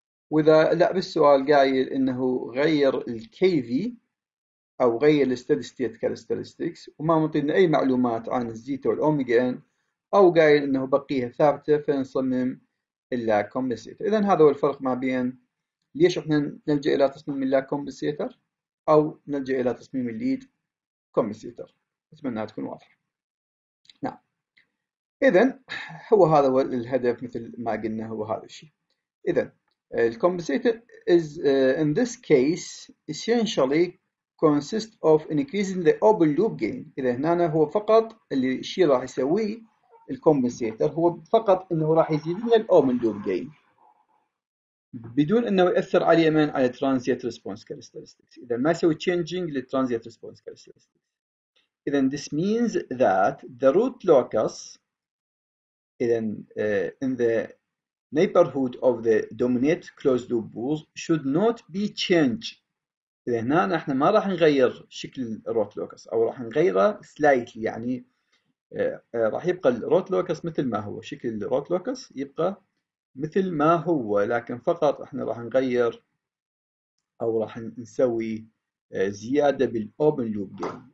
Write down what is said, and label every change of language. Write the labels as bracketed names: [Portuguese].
[Arabic] واذا لا بالسؤال قايل انه غير الكي في او غير الستيدي ستيت كاركترستكس وما معطينا اي معلومات عن الزيتا والاوميجا ان، او قايل انه بقيها ثابته فنصمم اللا كومبنسيتر. اذا هذا هو الفرق ما بين ليش احنا نلجأ الى تصميم اللا كومبنسيتر او نلجأ الى تصميم الليد كومبنسيتر. اتمنى تكون واضحه. نعم، اذا هو هذا هو الهدف مثل ما قلنا، هو هذا الشيء. اذا الكومبنسيتر [English] is in this case essentially consist of increasing the open loop gain. [Arabic] اذا هنا هو فقط اللي الشيء راح يسويه الكومبنسيتر هو فقط انه راح يزيد لنا الاوبن لوب جين بدون انه ياثر علي من على ترانزيت ريسبونس كاركترستكس. اذا ما يسوي تشينجينج للترانزيت ريسبونس كاركترستكس. [English] اذا this means that the root locus in the neighborhood of the dominant closed loop bools should not be changed. [Arabic] اذا هنا احنا ما راح نغير شكل الروت لوكس او راح نغيره سلايتلي، يعني راح يبقى الروت لوكس مثل ما هو، شكل الروت لوكس يبقى مثل ما هو، لكن فقط احنا راح نغير او راح نسوي زياده بالاوبن لوب جين.